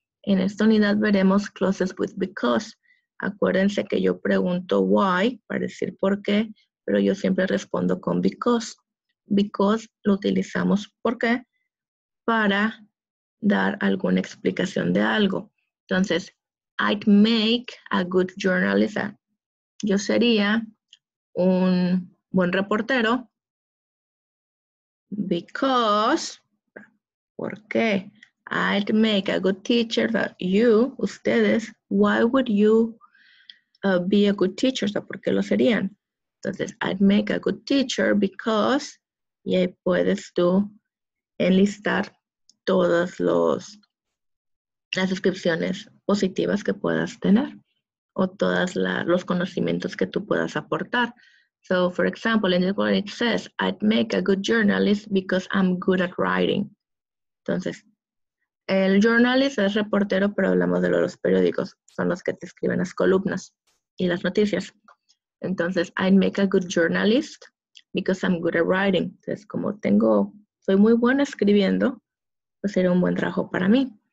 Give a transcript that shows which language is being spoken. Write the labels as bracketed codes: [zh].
[es] En esta unidad veremos [en] clauses with because. [es] Acuérdense que yo pregunto why, para decir por qué, pero yo siempre respondo con because. Because lo utilizamos por qué, para dar alguna explicación de algo. [en] Entonces, I'd make a good journalist. [es] Yo sería un buen reportero. Because, ¿por qué? [en] I'd make a good teacher. You, ustedes, why would you be a good teacher? [es] O sea, ¿por qué lo serían? Entonces, [en] I'd make a good teacher because, [es] y ahí puedes tú enlistar todas las descripciones positivas que puedas tener o todos los conocimientos que tú puedas aportar. [en] So, for example, in the quote it says, I'd make a good journalist because I'm good at writing. [es] Entonces, el journalist es reportero, pero hablamos de los periódicos. Son los que te escriben las columnas y las noticias. [en] Entonces, I'd make a good journalist because I'm good at writing. [es] Entonces, como soy muy buena escribiendo, pues sería un buen trabajo para mí.